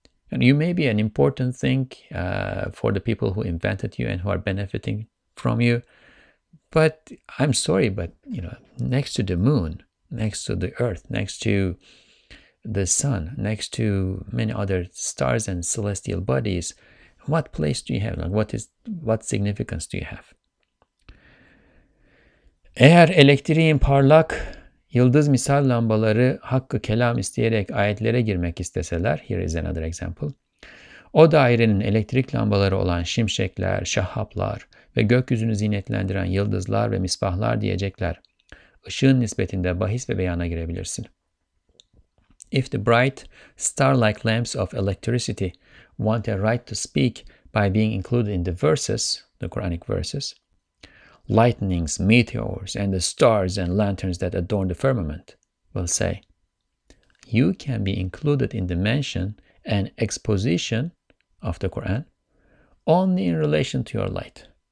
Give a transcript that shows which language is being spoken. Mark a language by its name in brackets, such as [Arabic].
[English] And you may be an important thing for the people who invented you and who are benefiting from you, but I'm sorry, but you know, next to the moon, next to the Earth, next to the sun, next to many other stars and celestial bodies, what place do you have? Like, what significance do you have? [Turkish] Eğer elektriğin parlak yıldız misal lambaları hakkı kelam isteyerek ayetlere girmek isteseler, [English] here is another example. [Turkish] O dairenin elektrik lambaları olan şimşekler, şahaplar ve gökyüzünü zinetlendiren yıldızlar ve misbahlar diyecekler. Işığın nispetinde bahis ve beyana girebilirsin. [English] If the bright star-like lamps of electricity want a right to speak by being included in the verses, the Quranic verses, lightnings, meteors, and the stars and lanterns that adorn the firmament will say, you can be included in the mention and exposition of the Quran only in relation to your light.